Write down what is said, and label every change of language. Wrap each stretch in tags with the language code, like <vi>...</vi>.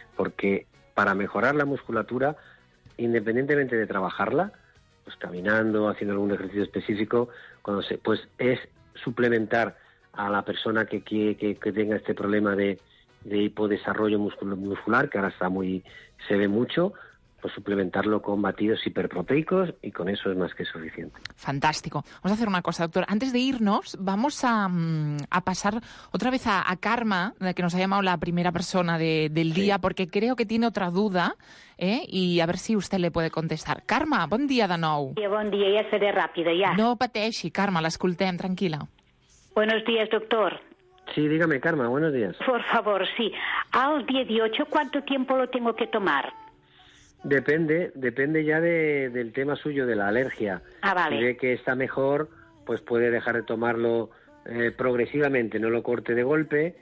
<es>Porque para mejorar la musculatura, independientemente de trabajarla, pues caminando, haciendo algún ejercicio específico, pues es suplementar a la persona que tenga este problema de hipodesarrollo muscular, que ahora está muy, se ve mucho, pues suplementarlo con batidos hiperproteicos y con eso es más que suficiente. Fantástico. Vamos a hacer una cosa, doctor. Antes de irnos, vamos a pasar otra vez a Karma, que nos ha llamado la primera persona del día, porque creo que tiene otra duda, ¿eh? Y a ver si usted le puede contestar.</es> <ca>Karma, bon dia de nou. Sí, bon dia, ja seré ràpida, ja. No pateixi, Karma, l'escoltem, tranquil·la.</ca> <es>Buenos días, doctor. Sí, dígame, Karma, buenos días. Por favor, sí. Al 18, ¿cuánto tiempo lo tengo que tomar? Depende ya del tema suyo, de la alergia. Ah, vale. Si ve que está mejor, pues puede dejar de tomarlo progresivamente, no lo corte de golpe.</es>